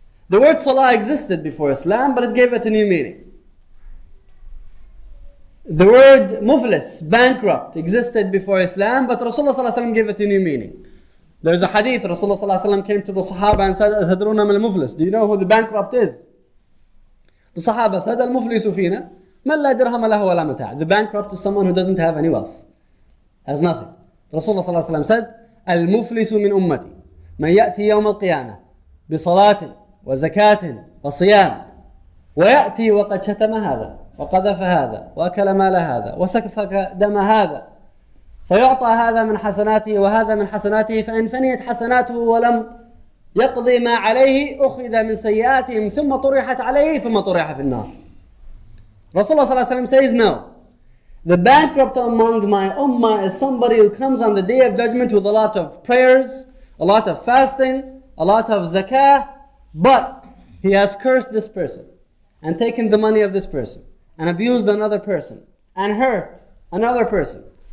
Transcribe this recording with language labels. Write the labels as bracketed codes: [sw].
[en] The word Salah existed before Islam, but it gave it a new meaning. The word Muflis, bankrupt, existed before Islam, but Rasulullah ﷺ gave it a new meaning. There's a hadith, Rasulullah ﷺ came to the Sahaba and said, [ar] أَتَدْرُونَ مَا الْمُفْلِسُ. [en] Do you know who the bankrupt is? The Sahaba said, [ar] الْمُفْلِسُ فِينَا مَنْ لَا دِرْهَمَ لَهُ وَلَا مَتَعَ. [en] The bankrupt is someone who doesn't have any wealth, has nothing. [ar] Rasulullah ﷺ said, الْمُفْلِسُ مِنْ أُمَّتِي مَنْ يَأْتِي يَوْمَ الْقِيَامَةِ بِصَلَاةٍ وَزَكَاةٍ وَصِيَامٍ وَيَأْتِي وَقَدْ شَتَمَ هَذَا وَقَذَفَ هَذَا وَأَكَلَ مَالَ هَذَا وَسَكَفَ دَمَ هَذَا فيعطى هذا من حسناته وهذا من حسناته فإن فنيت حسناته ولم يقضي ما عليه أخذ من سيئاتهم ثم طرحت عليه ثم طرح في النار. [en] رسول الله صلى الله عليه وسلم says, no, the bankrupt among my ummah is somebody who comes on the day of judgment with a lot of prayers, a lot of fasting, a lot of zakah, but he has cursed this person and taken the money of this person and abused another person and hurt another person.